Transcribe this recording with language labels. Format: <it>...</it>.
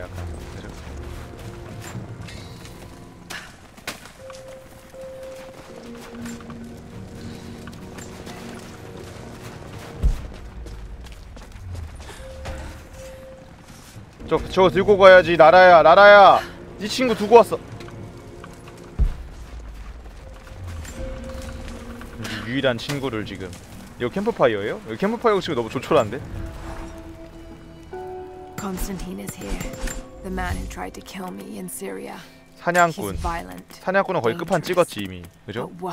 <ko>약간. 저거 들고 가야지. 나라야, 나라야, 네 친구 두고 왔어. 네 유일한 친구를 지금. 이거 캠프파이어예요? 이거 캠프파이어 지금 너무 조촐한데?</ko> <en>Constantine is here. The man who tried to kill me in Syria.</en> <ko>사냥꾼. 사냥꾼은 거의 끝판 찍었지 이미. 그죠?</ko>